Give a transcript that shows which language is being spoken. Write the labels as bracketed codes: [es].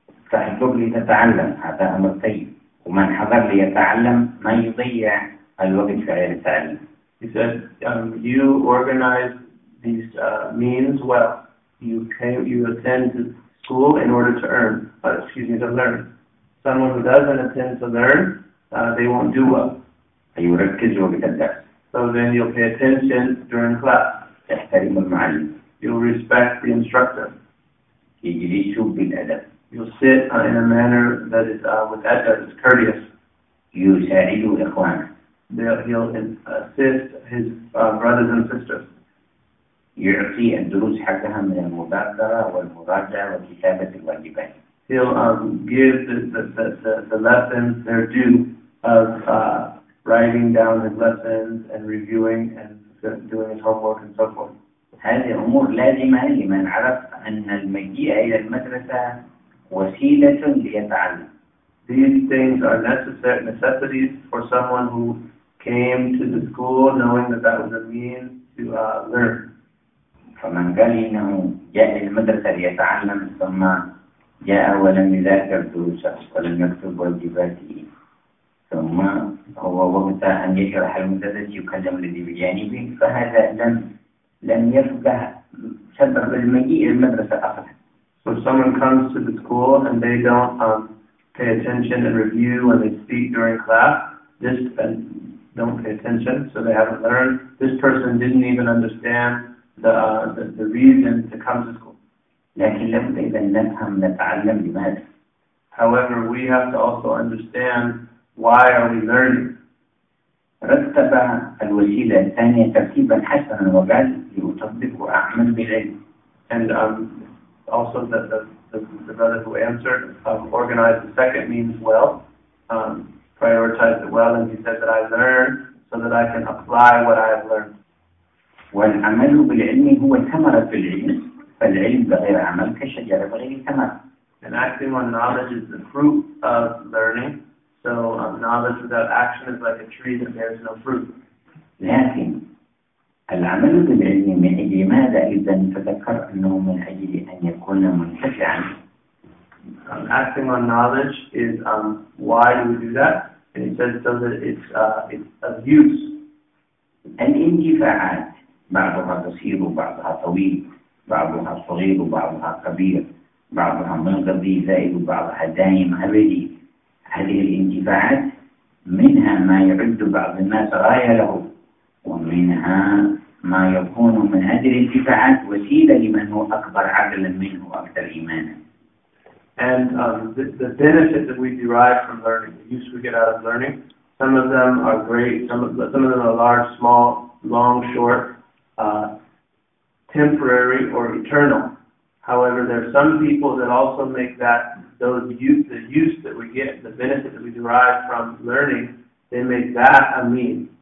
[ar] فاحضر لتتعلم هذا أمر طيب. ومن حضر ليتعلم ما يضيع الوقت في غير التعلم. [en] He said, you organize these means well. You attend school in order to earn, to learn. Someone who doesn't attend to learn, they won't do well. [ar] يركزوا في الدرس. [en] So then you'll pay attention during class. [ar] تحترم المعلم. [en] You'll respect the instructor. [ar] يجلسوا بالأدب. [en] You'll sit in a manner that is with adab, is courteous. [ar] يساعدوا إخوانه. [en] He'll assist his brothers and sisters. [ar] يعطي الدروس حقها من المذاكرة والمراجعة وكتابة الواجبات. [en] He'll give the lessons their due of writing down his lessons and reviewing and doing his homework and so forth. [ar] هذه أمور لازمة لمن عرف أن المجيء إلى المدرسة وسيلة ليتعلم. [en] These things are necessities for someone who came to the school knowing that that was a means to learn. [ar] فمن قال إنه جاء للمدرسة ليتعلم ثم جاء ولم يذاكر دروسه ولم يكتب واجباته ثم هو وقت أن يشرح المدرس يكلم الذي بجانبه فهذا لم يفقه سبب المجيء للمدرسة أصلا. [en] So someone comes to the school and they don't pay attention and review when they speak during class, don't pay attention, so they haven't learned. This person didn't even understand the reason to come to school. [ar] لكن لابد إذا نفهم نتعلم لماذا. [en] However, we have to also understand why are we learning. [ar] رتب الوسيلة الثانية ترتيبا حسنا وبعد يطبق وأعمل بغيره. [en] And also the brother who answered organized the second means well, prioritized it well, and he said that I learned so that I can apply what I have learned. [ar] والعمل بالعلم هو ثمرة العلم. فالعلم بغير عمل كشجرة بغير ثمر. [en] And acting on knowledge is the fruit of learning. So knowledge without action is like a tree that bears no fruit. [ar] لكن العمل بالعلم من أجل ماذا إذا تذكر أنه من أجل أن يكون منتفعا. [en] Acting on knowledge is why do we do that? And it says so that it's of use. [ar] الانتفاعات بعضها قصير وبعضها طويل. بعضها صغير وبعضها كبير بعضها منقضي زائد وبعضها دائم أبدي هذه الانتفاعات منها ما يعد بعض الناس غاية له ومنها ما يكون من هذه الانتفاعات وسيلة لمن هو أكبر عقلا منه وأكثر إيمانا. [en] And the benefit that we derive from learning, the use we get out of learning, some of them are great, some of them are large, small, long, short, temporary or eternal. However, there are some people that also make the use that we get, the benefit that we derive from learning, they make that a means.